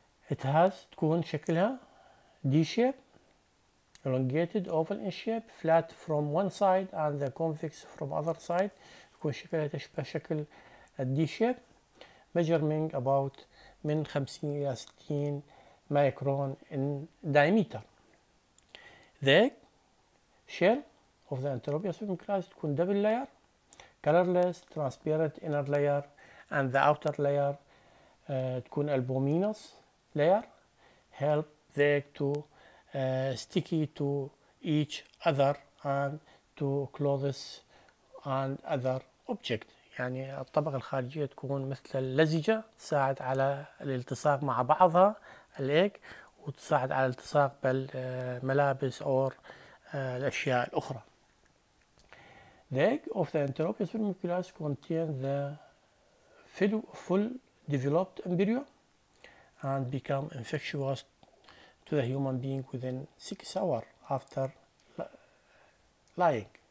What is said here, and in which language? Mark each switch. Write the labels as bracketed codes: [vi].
[en] It has [ar] تكون شكلها [en] D shape, elongated oval in shape, flat from one side and the convex from other side. [ar] تكون شكلها تشبه شكل D shape. [en] Measuring about [ar] من 50 إلى 60 ميكرون [en] in diameter. The shell of the enterobius fulmicularis [ar] تكون [en] double layer, colorless, transparent inner layer, and the outer layer تكون albuminous layer, help the egg to sticky to each other and to clothes and other objects. [ar] يعني الطبقة الخارجية تكون مثل اللزجة, تساعد على الالتصاق مع بعضها الايج, وتساعد على الالتصاق بالملابس او الاشياء الاخرى. [en] The egg of the enterobius fulmicularis contains the full developed embryo and become infectious to the human being within 6 hours after lying.